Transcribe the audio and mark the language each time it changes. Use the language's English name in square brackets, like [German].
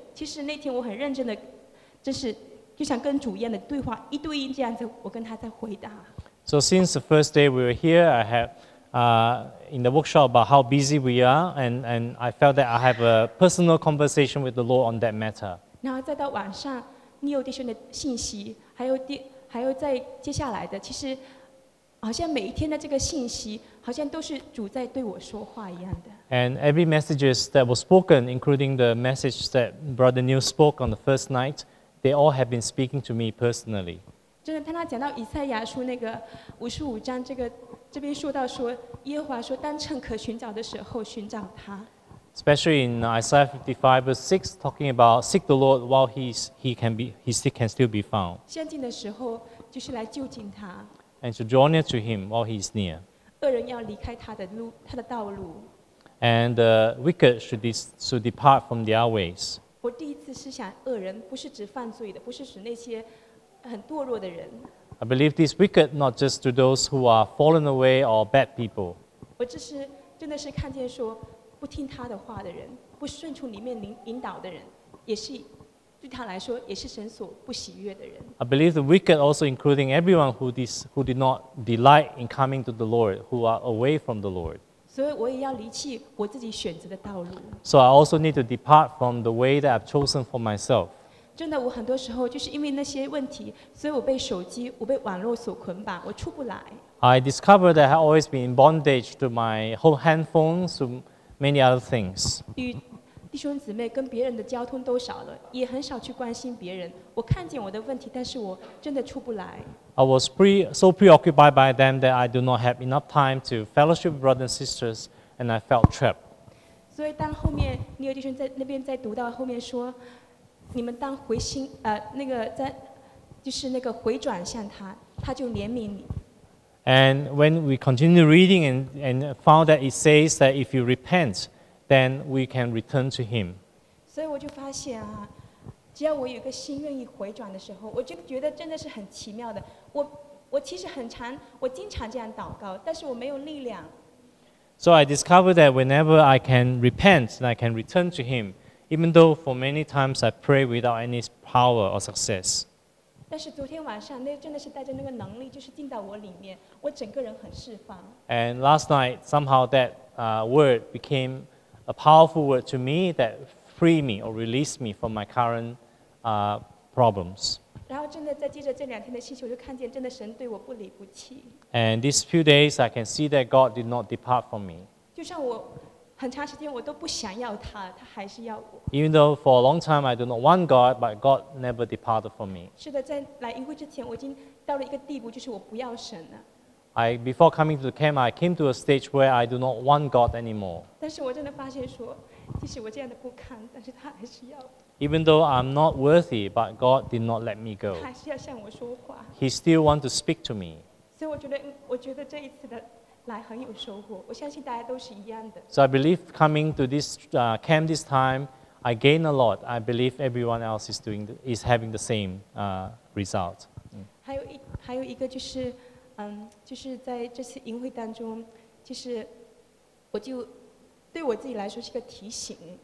[Chinese] 其实那天我很认真的，真是就像跟主一样的对话，一对一这样子，我跟他在回答。 [English] So since the first day we were here, I have, in the workshop about how busy we are, and I felt that I have a personal conversation with the Lord on that matter. [Chinese] 然后再到晚上，你有弟兄的信息，还有在接下来的，其实好像每一天的这个信息，好像都是主在对我说话一样的。 [English] And every message that was spoken, including the message that Brother Neil spoke on the first night, they all have been speaking to me personally. [Chinese] 真的，当他讲到以赛亚书那个五十五章，这个这边说到说耶和华说，当趁可寻找的时候寻找他。 [English] Especially in Isaiah 55 verse 6, talking about seek the Lord while he can still be found. [Chinese] 相近的时候就是来就近他。 [English] And to draw near to him while he is near. [Chinese] 恶人要离开他的路，他的道路。 [English] And the wicked should depart from their ways. [Chinese] 我第一次是想恶人不是指犯罪的，不是指那些很堕落的人。 [English] I believe this wicked not just to those who are fallen away or bad people. [Chinese] 我这是真的是看见说不听他的话的人，不顺从里面引导的人，也是对他来说也是神所不喜悦的人。 [English] I believe the wicked also including everyone who did not delight in coming to the Lord, who are away from the Lord. [Chinese] 所以我也要离弃我自己选择的道路。 [English] So I also need to depart from the way that I've chosen for myself. [Chinese] 真的，我很多时候就是因为那些问题，所以我被手机，我被网络所捆绑，我出不来。 [English] I discovered that I've always been in bondage to my whole handphones, many other things. [Chinese] 与弟兄姊妹跟别人的交通都少了，也很少去关心别人。我看见我的问题，但是我真的出不来。 [English] I was so preoccupied by them that I do not have enough time to fellowship with brothers and sisters, and I felt trapped. [Chinese] 所以当后面你有弟兄在那边在读到后面说，你们当回心那个在就是那个回转向他，他就怜悯你。 [English] And when we continue reading and found that it says that if you repent, then we can return to Him. [Chinese] 所以我就发现啊，只要我有个心愿意回转的时候，我就觉得真的是很奇妙的。我其实很常，我经常这样祷告，但是我没有力量。 [English] So I discovered that whenever I can repent and I can return to Him, even though for many times I pray without any power or success. [Chinese] 但是昨天晚上那真的是带着那个能力，就是进到我里面，我整个人很释放。 [English] And last night somehow that word became a powerful word to me that freed me or released me from my current problems. [Chinese] 然后真的在接着这两天的信息，我就看见真的神对我不离不弃。 [English] And these few days, I can see that God did not depart from me. [Chinese] 就像我很长时间我都不想要他，他还是要我。 [English] Even though for a long time I do not want God, but God never departed from me. [Chinese] 是的，在来营会之前，我已经到了一个地步，就是我不要神了。 [English] Before coming to the camp, I came to a stage where I do not want God anymore. [Chinese] 但是我真的发现说，即使我这样的不堪，但是他还是要。 [English] Even though I'm not worthy, but God did not let me go. [Chinese] 他还是要向我说话。 [English] He still wants to speak to me. [Chinese] 所以我觉得这一次的来很有收获。我相信大家都是一样的。 [English] So I believe coming to this camp this time, I gain a lot. I believe everyone else is having the same result. [Chinese] 还有一个就是。就是在这次营会当中，其实我就对我自己来说是个提醒。